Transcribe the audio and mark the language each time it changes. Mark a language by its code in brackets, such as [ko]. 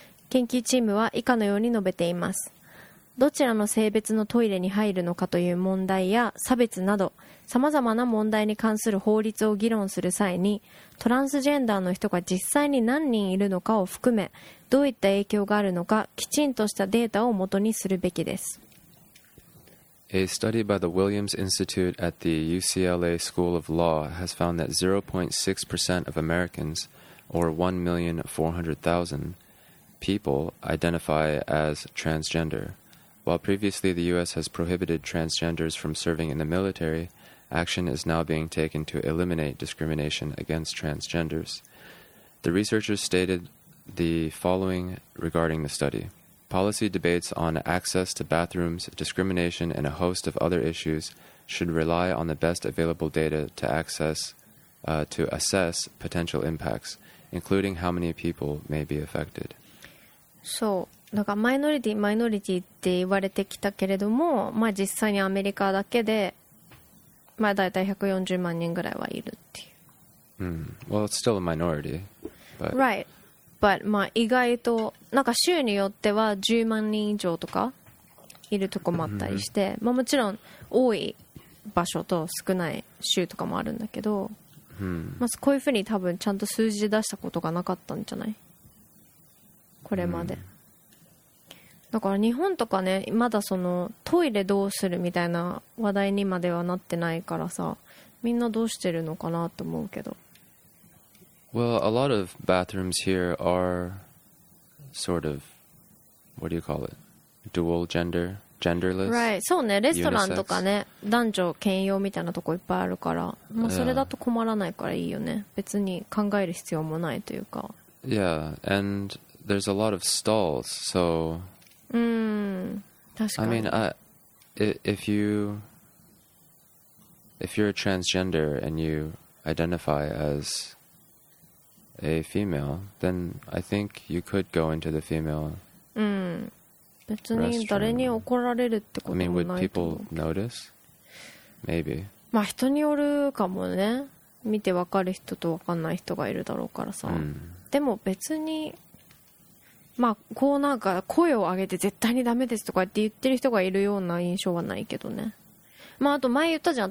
[ja] 研究チームは以下のように述べています。どちらの性別のトイレに入るのかという問題や差別など様々な問題に関する法律を議論する際に、トランスジェンダーの人が実際に何人いるのかを含め、どういった影響があるのか、きちんとしたデータを元にするべきです。 [en] A study by the Williams Institute at the UCLA School of Law has found that 0.6% of Americans, or 1,400,000 people, identify as transgender. While previously the U.S. has prohibited transgenders from serving in the military, action is now being taken to eliminate discrimination against transgenders. The researchers stated the following regarding the study. Policy debates on access to bathrooms, discrimination, and a host of other issues should rely on the best available data to assess potential impacts, including how many people may be affected. [ja] So, なんかマイノリティって言われてきたけれども、まあ実際にアメリカだけで、まあだいたい140万人ぐらいはいるっていう。 [en] Well, it's still a minority. But... Right. [ja] But, まあ、意外となんか州によっては10万人以上とかいるとこもあったりして、まあ、もちろん多い場所と少ない州とかもあるんだけど、まずこういうふうに多分ちゃんと数字で出したことがなかったんじゃない、これまで。だから日本とかね、まだそのトイレどうするみたいな話題にまではなってないからさ、みんなどうしてるのかなと思うけど。 [en] Well, a lot of bathrooms here are sort of, what do you call it? Dual gender? Genderless? [ja] Right, そうね、レストランとかね、男女兼用みたいなとこいっぱいあるから、まあ、それだと困らないからいいよね。別に考える必要もないというか。 [en] Yeah, and there's a lot of stalls, so... [ja] 確かに。 [en] I mean, if you're a transgender and you identify as... A female, then I think you could go into the female. [ja] 別に誰に怒られるってこともないと思う。 [en] I mean, would people notice? Maybe. [ja] まあ人によるかもね。見てわかる人とわかんない人がいるだろうからさ。でも別に、まあこうなんか声を上げて絶対にダメですとかって言ってる人がいるような印象はないけどね。まああと前言ったじゃん。